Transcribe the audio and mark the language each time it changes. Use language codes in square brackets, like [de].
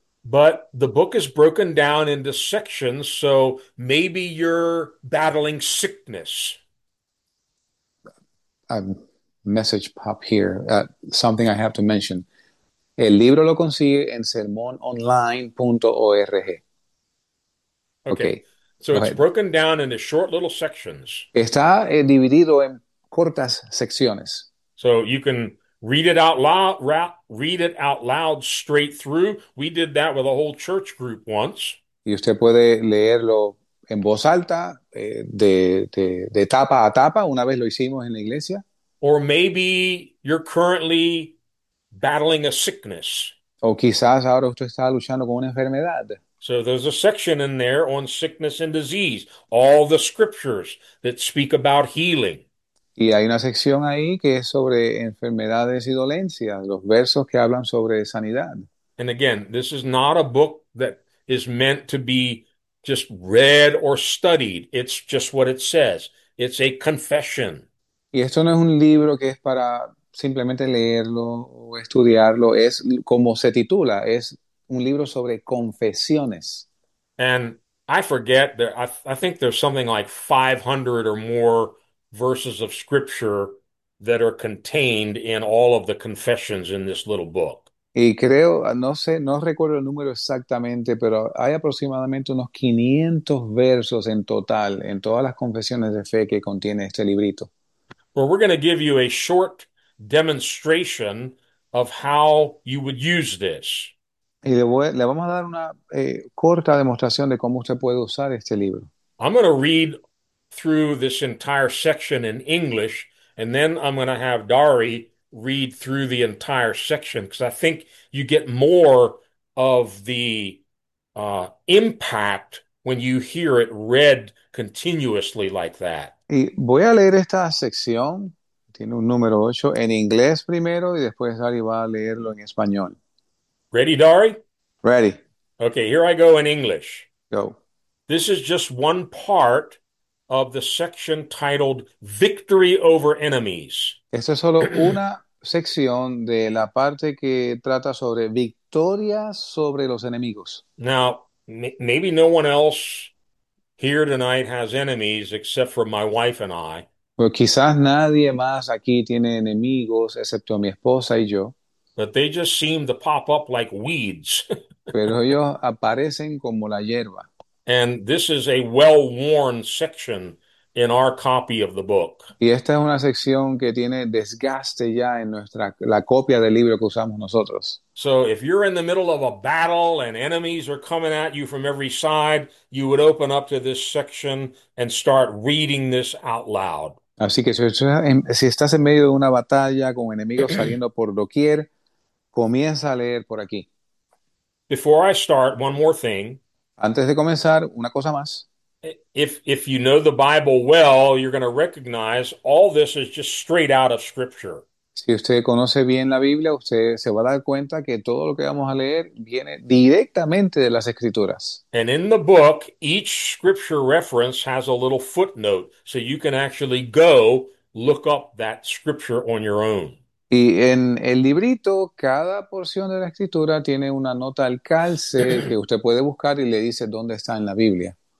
[en] But the book is broken down into sections, so maybe you're battling sickness. Message pop here, something I have to mention. [es] El libro lo consigue en sermononline.org. [en] Okay, Okay, so go it's ahead. broken down into short little sections. [es] Está dividido en cortas secciones. [en] So you can read it out loud straight through. We did that with a whole church group once. [es] Y usted puede leerlo en voz alta, de tapa a tapa, una vez lo hicimos en la iglesia. [en] Or maybe you're currently battling a sickness. [es] O quizás ahora usted está luchando con una enfermedad. [en] So there's a section in there on sickness and disease, all the scriptures that speak about healing. [es] Y hay una sección ahí que es sobre enfermedades y dolencias, los versos que hablan sobre sanidad. [en] And again, this is not a book that is meant to be just read or studied. It's just what it says. It's a confession. [es] Y esto no es un libro que es para simplemente leerlo o estudiarlo, es como se titula, es un libro sobre confesiones. [en] And I forget that I think there's something like 500 or more verses of scripture that are contained in all of the confessions in this little book. [es] Y creo, no sé, no recuerdo el número exactamente, pero hay aproximadamente unos 500 versos en total en todas las confesiones de fe que contiene este librito. [en] Well, we're going to give you a short demonstration of how you would use this. [es] Y le vamos a dar una corta demostración de cómo usted puede usar este libro. [en] I'm going to read through this entire section in English, and then I'm going to have Dari read through the entire section because I think you get more of the impact when you hear it read continuously like that. [es] Y voy a leer esta sección, tiene un número 8, en inglés primero y después Ari va a leerlo en español. [en] Ready, Dari? Ready. Okay, here I go in English. Go. This is just one part of the section titled Victory Over Enemies. [es] Esta es solo una sección de la parte que trata sobre victorias sobre los enemigos. [en] Now, maybe no one else here tonight has enemies except for my wife and I. [es] Pues quizás nadie más aquí tiene enemigos, excepto mi esposa y yo. [en] But they just seem to pop up like weeds. [es] pero ellos aparecen como la hierba. [en] And this is a well-worn section in our copy of the book. [es] Y esta es una sección que tiene desgaste ya en nuestra la copia del libro que usamos nosotros. [en] So if you're in the middle of a battle and enemies are coming at you from every side, you would open up to this section and start reading this out loud. [es] Así que si estás en medio de una batalla con enemigos saliendo por doquier, comienza a leer por aquí. [en] Before I start, one more thing. [es] Antes de comenzar, una cosa más. [en] If you know the Bible well, you're going to recognize all this is just straight out of Scripture. [es] Si usted conoce bien la Biblia, usted se va a dar cuenta que todo lo que vamos a leer viene directamente de las Escrituras. [en] And in the book, each scripture reference has a little footnote, so you can actually go look up that scripture on your own. [es] Y en el librito, cada porción de la escritura tiene una nota al calce que usted puede buscar y le dice dónde está en la Biblia.